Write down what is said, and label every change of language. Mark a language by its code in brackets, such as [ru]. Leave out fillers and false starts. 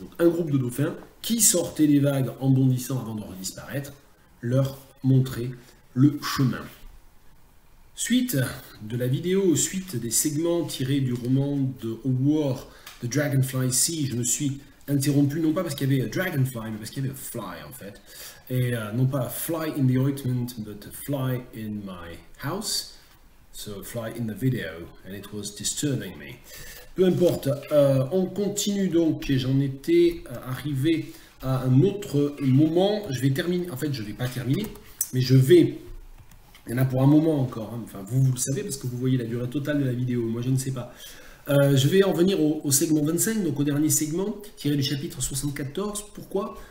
[fr] Donc un groupe de dauphins qui sortait des vagues en bondissant avant de redisparaître, leur montrait le chemin. Suite de la vidéo, suite des segments tirés du roman de Howard, The Dragonfly Sea, je me suis interrompu, non pas parce qu'il y avait a dragonfly, mais parce qu'il y avait a fly, en fait. Et non pas [en] a fly in the ointment, but a fly in my house. So a fly in the video, and it was disturbing me. [fr] Peu importe, on continue donc, et j'en étais arrivé à un autre moment. Je vais terminer, en fait je ne vais pas terminer, mais je vais Il y en a pour un moment encore. Hein. Enfin, vous le savez parce que vous voyez la durée totale de la vidéo. Moi, je ne sais pas. Je vais en venir au segment 25, donc au dernier segment, tiré du chapitre 74. Pourquoi?